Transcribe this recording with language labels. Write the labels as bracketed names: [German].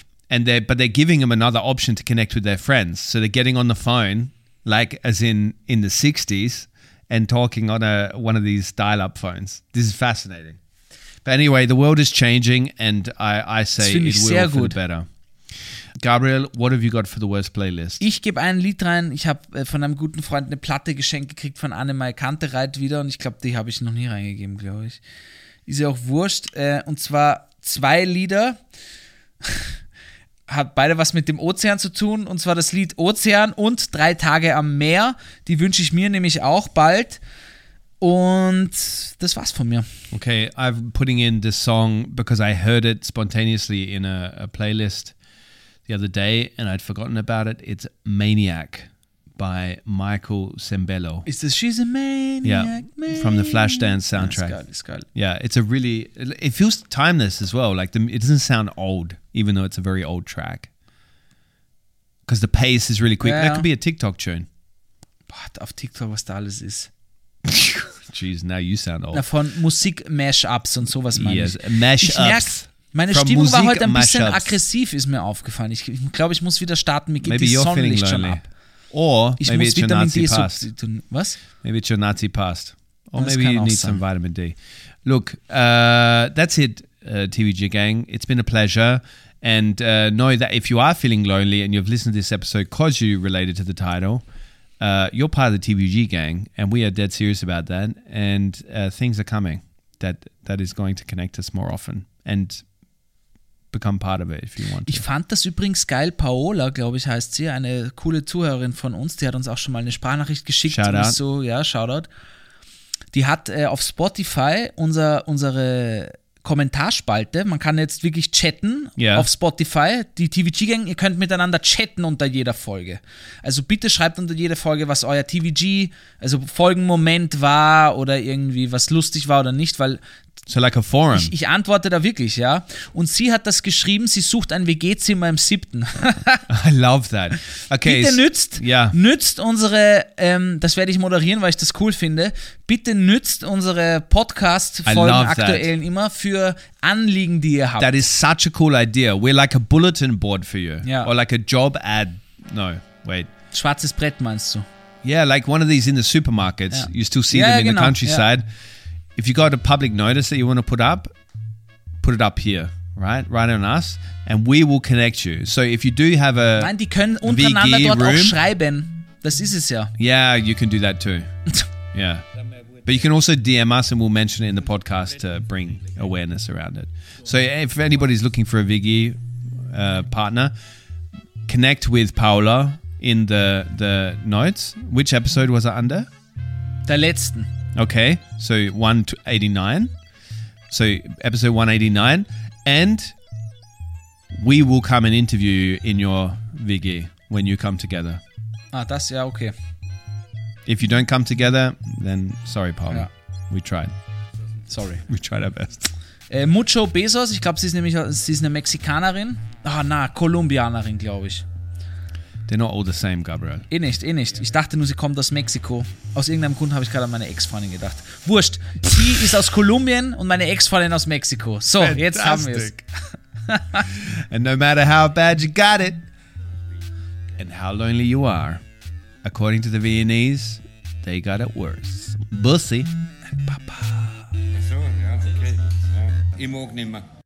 [English] And they're giving them another option to connect with their friends. So they're getting on the phone, like as in the 60s, and talking on one of these dial-up phones. This is fascinating. But anyway, the world is changing, and I say it will for the better. Gabriel, what have you got for the worst playlist? [German] Ich gebe ein Lied rein. Ich habe von einem guten Freund eine Platte geschenkt gekriegt von Annemai Kantereit wieder, und ich glaube, die habe ich noch nie reingegeben, glaube ich. Ist ja auch wurscht. Und zwar zwei Lieder. Hat beide was mit dem Ozean zu tun, und zwar das Lied Ozean und Drei Tage am Meer. Die wünsche ich mir nämlich auch bald. Und das war's von mir. [English] Okay, I'm putting in this song because I heard it spontaneously in a playlist the other day and I'd forgotten about it. It's Maniac by Michael Cimbello. Is this She's a Maniac? Yeah, from the Flashdance soundtrack. It's good. Yeah, it's a really, it feels timeless as well. Like, it doesn't sound old, even though it's a very old track. Because the pace is really quick. Yeah. That could be a TikTok tune. What, [German] auf TikTok, was da alles ist. [English] Jeez, now you sound old. [German] Na, von Musik Mashups und sowas meine ich. Mashups. Meine From Stimmung war heute ein bisschen aggressiv, ist mir aufgefallen. Ich glaube, ich muss wieder starten. Mir geht [English] maybe [German] die Sonnenlicht schon ab. [English] Or maybe it's your Nazi past. [German] Was? [English] Maybe it's your Nazi past. Or maybe you need some vitamin D. Look, that's it, TVG gang. It's been a pleasure. And know that if you are feeling lonely and you've listened to this episode because you related to the title, you're part of the TVG gang. And we are dead serious about that. And things are coming that is going to connect us more often. And become part of it if you want to. [German] Ich fand das übrigens geil. Paola, glaube ich, heißt sie, eine coole Zuhörerin von uns, die hat uns auch schon mal eine Sprachnachricht geschickt. [English] Shoutout. [German] So, ja, Shoutout. Die hat auf Spotify unsere Kommentarspalte, man kann jetzt wirklich chatten auf Spotify, die TVG-Gang, ihr könnt miteinander chatten unter jeder Folge. Also bitte schreibt unter jeder Folge, was euer TVG, also Folgenmoment war oder irgendwie was lustig war oder nicht, weil [English] so like a forum. [German] Ich antworte da wirklich, ja. Und sie hat das geschrieben, sie sucht ein WG-Zimmer im 7. [English] I love that. Okay. [German] Bitte nützt unsere, das werde ich moderieren, weil ich das cool finde, bitte nützt unsere Podcast-Folgen aktuellen [English] that. [German] Immer für Anliegen, die ihr habt. [English] That is such a cool idea. We're like a bulletin board for you. Yeah. Or like a job ad. No, wait. [German] Schwarzes Brett meinst du? [English] Yeah, like one of these in the supermarkets. [German] Ja. [English] You still see them in [German] genau, [English] the countryside. [German] Ja. [English] If you got a public notice that you want to put it up here, right? Right on us. And we will connect you. So if you do have a [German] Nein, die können untereinander VG dort [English] room, [German] auch schreiben. Das ist es ja. [English] Yeah, you can do that too. Yeah. But you can also DM us and we'll mention it in the podcast to bring awareness around it. So if anybody's looking for a VG partner, connect with Paola in the notes. Which episode was it under? Der letzten. Okay, so 189. So episode 189. And we will come and interview you in your VG when you come together. Ah, that's, yeah, okay. If you don't come together, then sorry, Paul. Yeah. We tried. Sorry. We tried our best. [Spanish] Mucho Besos, [German] ich glaube, sie ist eine Mexikanerin. Ah, na, Kolumbianerin, glaube ich. [English] They're not all the same, Gabriel. [German] Eh nicht. Ich dachte nur, sie kommt aus Mexiko. Aus irgendeinem Grund habe ich gerade an meine Ex-Freundin gedacht. Wurscht, sie ist aus Kolumbien und meine Ex-Freundin aus Mexiko. [English] So, fantastic. [German] Jetzt haben wir es. [English] And no matter how bad you got it and how lonely you are, according to the Viennese, they got it worse. [German] Bussi. Papa. Achso, ja, okay. Ich mag nicht mehr.